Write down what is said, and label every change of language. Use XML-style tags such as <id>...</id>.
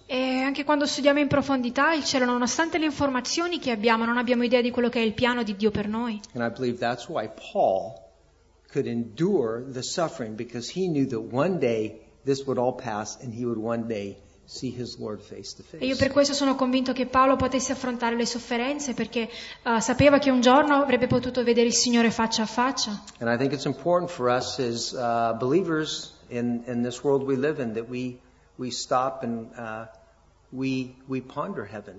<it>E anche quando studiamo in profondità il cielo, nonostante le informazioni che abbiamo, non abbiamo idea di quello che è il piano di Dio per noi.</it> <en>And I believe that's why Paul could endure the suffering, because he knew that one day this would all pass and he would one day see his Lord face to face.</en> <it>E io per questo sono convinto che Paolo potesse affrontare le sofferenze, perché sapeva che un giorno avrebbe potuto vedere il Signore faccia a faccia.</it> <en>And I think it's important for us as believers in this world we live in, that we stop and we ponder heaven.</en>